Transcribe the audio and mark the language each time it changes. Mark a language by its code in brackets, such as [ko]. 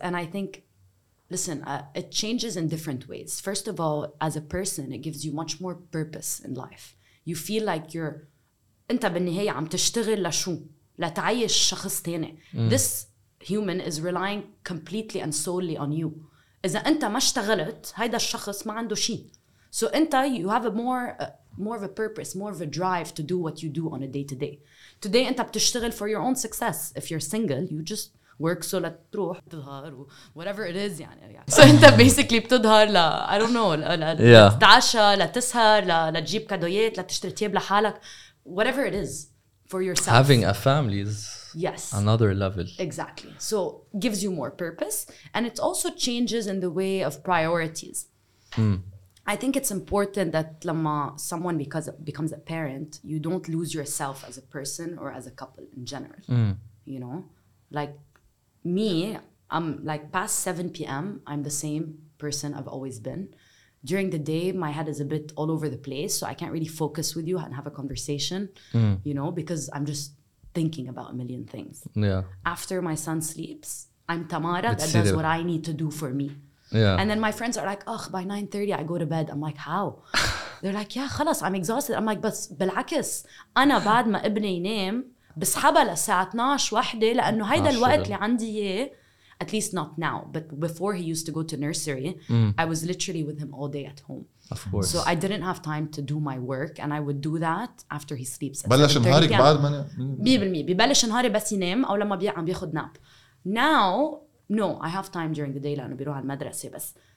[en] And I think listen, it changes in different ways. First of all, as a person, it gives you much more purpose in life. You feel like you're [ar] انت بالنهاية عم تشتغل لشو؟ لتعيش شخص تاني. [en] This human is relying completely and solely on you. [ar] إذا أنت ما اشتغلت هيدا الشخص ما عنده شيء. [en] So [ar] أنت [en] you have a more of a purpose, more of a drive to do what you do on a day to day. Today [ar] أنت بتشتغل [en] for your own success. If you're single, you just work so that [ar] تروح تظهر [en] whatever it is [ar] يعني. [en] So [ar] أنت [en] basically [ar] بتظهر لا [en] I don't know [ar] لا تتعشى لا تسهر لا تجيب كادويات لا تشتري تياب لحالك [en] whatever it is for yourself. Having a family is yes another level. Exactly. So gives you more purpose and it also changes in the way of priorities. I think it's important that lama someone becomes a parent, you don't lose yourself as a person or as a couple in general. You know, like me, I'm like past 7 p.m. I'm the same person I've always been. During the day, my head is a bit all over the place, so I can't really focus with you and have a conversation, you know, because I'm just thinking about a million things. Yeah. After my son sleeps, I'm Tamara that does what I need to do for me. Yeah. And then my friends are like, oh, by 9:30 I go to bed. I'm like, how? They're like, yeah, [ar] خلاص, [en] I'm exhausted. I'm like, [ar] بس بالعكس, أنا بعد ما ابني ينام بسحبها لساعة 12 واحدة لأنه هيدا الوقت اللي عندي إيه. [en] At least not now, but before he used to go to nursery, I was literally with him all day at home. Of course. So I didn't have time to do my work and I would do that after he sleeps. [ar] بلش نهارك بعد ما بيبالمي ببلش نهاري بس ينام أو لما بيعم بياخد ناب. [en] Now, no, I have time during the day [ar] لأنه بيروح المدرسة بس.